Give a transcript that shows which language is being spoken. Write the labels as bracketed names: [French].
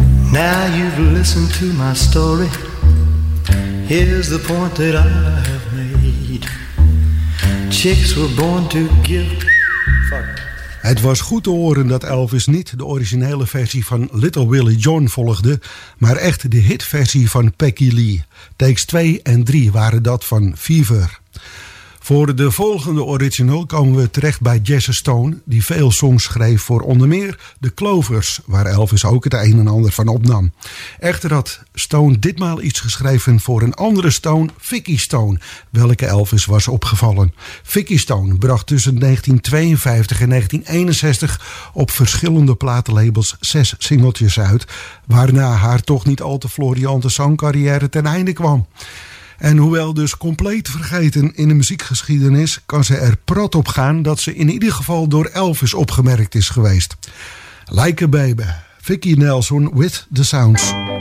[English] Now you've listened to my story, here's the point that I have made. Chicks were born to give. [Dutch] Het was goed te horen dat Elvis niet de originele versie van Little Willie John volgde, maar echt de hitversie van Peggy Lee. Takes 2 en 3 waren dat van Fever. Voor de volgende original komen we terecht bij Jesse Stone, die veel songs schreef voor onder meer The Clovers, waar Elvis ook het een en ander van opnam. Echter had Stone ditmaal iets geschreven voor een andere Stone, Vicky Stone, welke Elvis was opgevallen. Vicky Stone bracht tussen 1952 en 1961 op verschillende platenlabels 6 singeltjes uit, waarna haar toch niet al te floriante zangcarrière ten einde kwam. En hoewel dus compleet vergeten in de muziekgeschiedenis, kan ze er prat op gaan dat ze in ieder geval door Elvis opgemerkt is geweest. [English] Like a Baby, Vicky Nelson with the Sounds.